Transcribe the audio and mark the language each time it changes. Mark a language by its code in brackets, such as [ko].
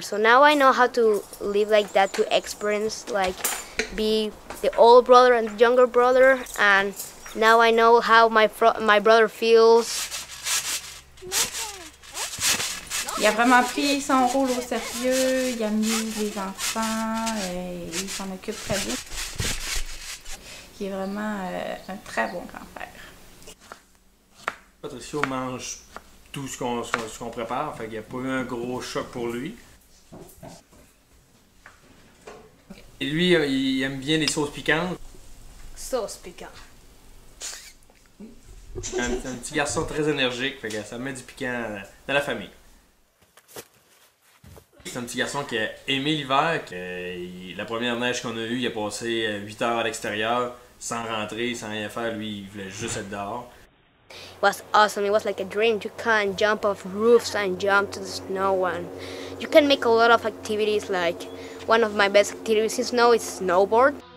[en] So now I know how to live like that, to experience like be the old brother and the younger brother, and now I know how my brother feels. [fr] Il a vraiment pris son rôle au sérieux, il a mis les enfants et il s'en occupe très bien. Il est vraiment un très bon grand-père. Patricio mange tout ce qu'on prépare, fait qu'il n'y a pas eu un gros choc pour lui. Et lui, il aime bien les sauces piquantes. Sauce piquante. Un petit garçon très énergique, fait que ça met du piquant dans la famille. C'est un petit garçon qui a aimé l'hiver, la première neige qu'on a eue, il a passé 8 heures à l'extérieur, sans rentrer, sans rien faire, lui, il voulait juste être dehors. [en] It was awesome, it was like a dream. You can jump off roofs and jump to the snow. And you can make a lot of activities, like one of my best activities in snow is snowboard.